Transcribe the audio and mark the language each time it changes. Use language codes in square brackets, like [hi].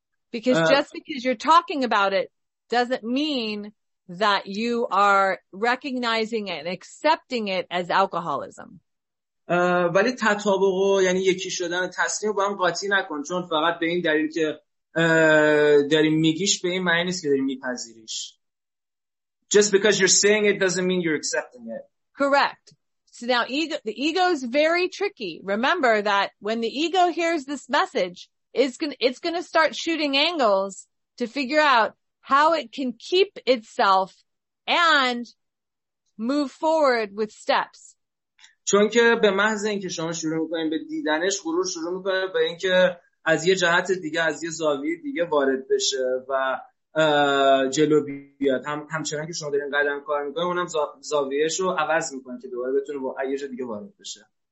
[en] Because just because you're talking about it doesn't mean that you are recognizing it and accepting it as alcoholism. [fa] ولی تطابق و یعنی یکی شدن تسلیم با هم قاطی نکن، چون فقط به این دلیل که داری میگیش به این معنی نیست که داری میپذیریش. [en] Just because you're saying it doesn't mean you're accepting it. Correct. So now the ego is very tricky. Remember that when the ego hears this message, it's going to start shooting angles to figure out how it can keep itself and move forward with steps. [fa] چون که به محض اینکه شما شروع می‌کنید به دیدنش، غرور شروع می‌کنه به اینکه از یه جهت دیگه، از یه زاویه دیگه وارد بشه و جلو بیاد. همچنان که شما دارین قدم کار می‌کنید، اونم زاویه‌اش رو عوض می‌کنه که دوباره بتونه با یه جهت دیگه وارد بشه.